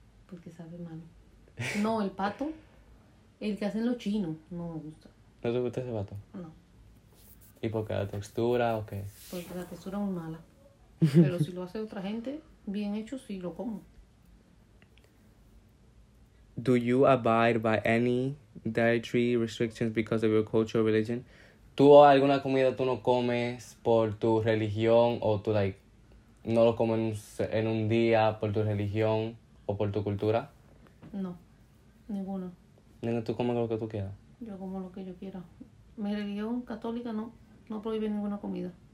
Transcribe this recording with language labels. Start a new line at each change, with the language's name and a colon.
Spanish: Porque sabe mal. No, el pato, el que hacen los chinos, no me gusta. ¿No te gusta ese pato? No. ¿Y por qué la textura o qué? Porque la textura es muy mala. Pero si lo hace otra gente, bien hecho, sí lo como.
English: Do you abide by any dietary restrictions because of your culture or religion?
Spanish: ¿Tú alguna comida tú no comes por tu religión o tú,
English: like,
Spanish: no lo comes en un día por tu religión o por tu cultura? No, ninguno. ¿Nena, tú comes lo que tú quieras? Yo como lo que yo quiera. Mi religión católica no prohíbe ninguna comida.